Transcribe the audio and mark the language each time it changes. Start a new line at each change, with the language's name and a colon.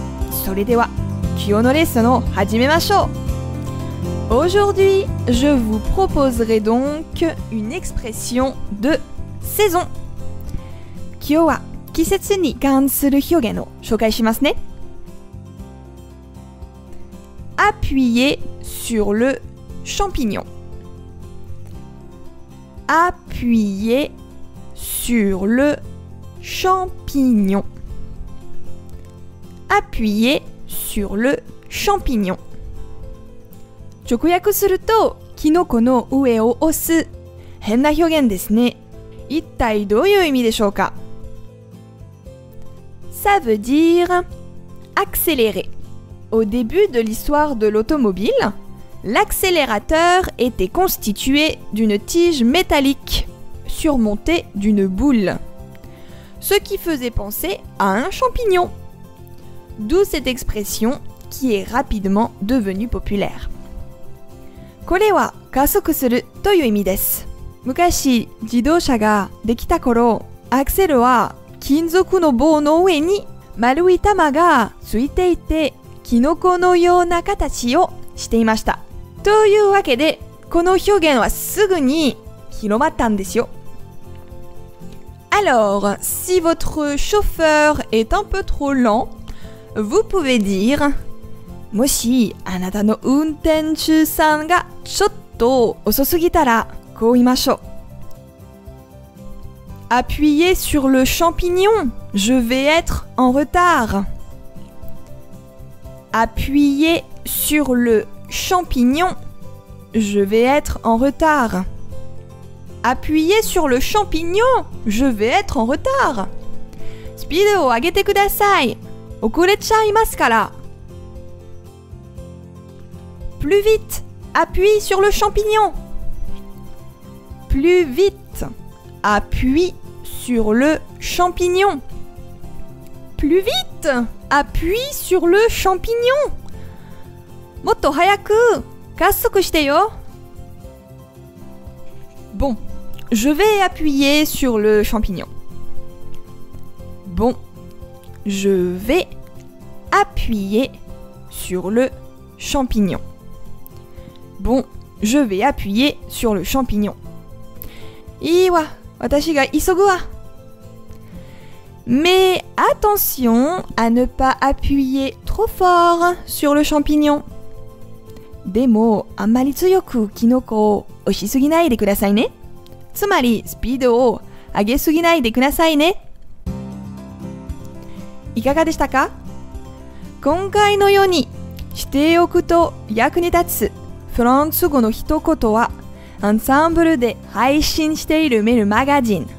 Japanese: それでは、今日のレッスンを始めましょう。
French: Aujourd'hui, je vous proposerai donc une expression de saison.
Japanese: 今日は季節に関する表現を紹介しますね。
French: Appuyer sur le champignon. Appuyer sur le champignon. Appuyer sur le champignon.
Japanese: 直訳すると、キノコの上を押す。変な表現ですね。一体どういう意味でしょうか？
French: Ça veut dire accélérer. Au début de l'histoire de l'automobile, l'accélérateur était constitué d'une tige métallique surmontée d'une boule, ce qui faisait penser à un champignon. D'où cette expression qui est rapidement devenue populaire.
Japanese: これは加速するという意味です。昔、自動車ができた頃、アクセルは金属の棒の上に丸い玉がついていて、キノコのような形をしていました。というわけで、この表現はすぐに広まったんですよ。
French: Alors, si votre chauffeur est un peu trop lent, vous pouvez dire
Japanese: もしあなたの運転手さんがちょっと遅すぎたら、こう言いましょう。
French: Appuyez sur le champignon, je vais être en retard. Appuyez sur le champignon. Je vais être en retard. Appuyez sur le champignon. Je vais être en retard.
Japanese: スピードを上げてください。遅れちゃいますから。
French: Plus vite. Appuyez sur le champignon. Plus vite. Appuyez sur le champignon. Plus vite. Appuie sur le champignon.
Japanese: もっと早く加速してよ。
French: Bon, je vais appuyer sur le champignon. Bon, je vais appuyer sur le champignon. Bon, je vais appuyer sur le champignon.
Japanese: いいわ、私が急ぐわ。
French: Mais attention à ne pas appuyer trop fort sur le champignon.
Japanese: でも、あんまり強くキノコを押しすぎないでくださいね。つまり、スピードを上げすぎないでくださいね。いかがでしたか？今回のように、しておくと役に立つフランス語の一言は、アンサンブルで配信しているメールマガジン。